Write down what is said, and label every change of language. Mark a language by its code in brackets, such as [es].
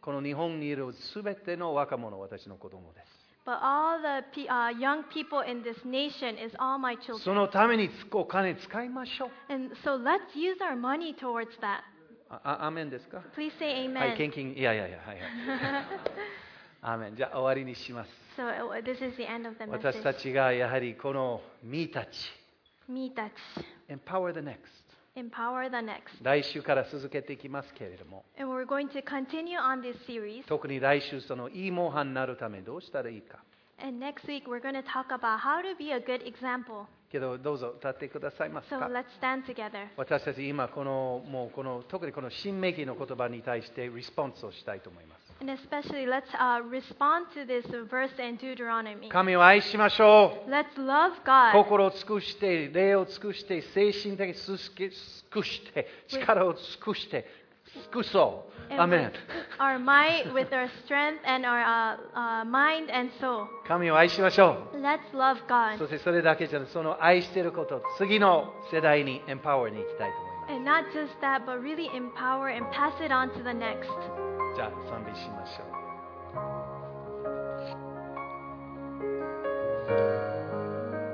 [ja] この日本にいるすべての若者は私の子供です。 [en] But all the young people in this nation is all my children. [ja] そのためにお金使いましょう。 [en] And so let's use our money towards that. [ja] アーメンですか？ [en] Please say amen. [ja] はい、献金。いやいやいや、はい、アーメン。じゃあ終わりにします。 [en] So this is the end of the message. [ja] 私たちがやはりこの me たち。 me たち。 [en] Empower the next. Empower the next. [ja] 来週から続けていきますけれども。 [en] And we're going to continue on this series. [ja] 特に来週そのいい模範になるためどうしたらいいか。 [en] And next week we're going to talk about how to be a good example. [ja] けどどうぞ立ってくださいますか。 [en] So let's stand together. [ja] 私たち今このもうこの特にこの新命記の言葉に対してリスポンスをしたいと思います。 [en] And especially let's respond to this verse in Deuteronomy. [ja] 神を愛しましょう。 [en] Let's love God. [ja] 心を尽くして、霊を尽くして、精神的に尽くして、力を尽くして。 [en] Amen. Our might with our strength and our mind and soul. [ja] 神を愛しましょう。 [en] Let's love God. [ja] そしてそれだけじゃなくその愛していることを次の世代にエンパワーにいきたいと思います。 [en] And not just that, but really empower and pass it on to the next. [ja] じゃあ賛美しましょう。